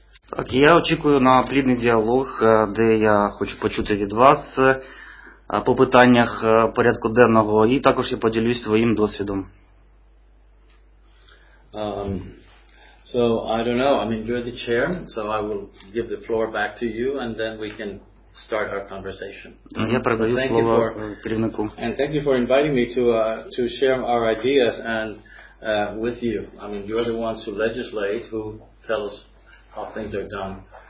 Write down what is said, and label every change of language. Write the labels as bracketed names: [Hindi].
[Ukrainian] Так, я очікую на плідний діалог, де я хочу почути від вас по питаннях порядку денного, і також я поділюсь своїм досвідом. [English] So I don't know. I mean, you're the chair, so I will give the floor back to you, and then we can start our conversation. [Ukrainian] Я передаю слово керівнику. [English] And thank you for inviting me to share our ideas and with you. I mean, you're the ones who legislate, who tell us how things are done.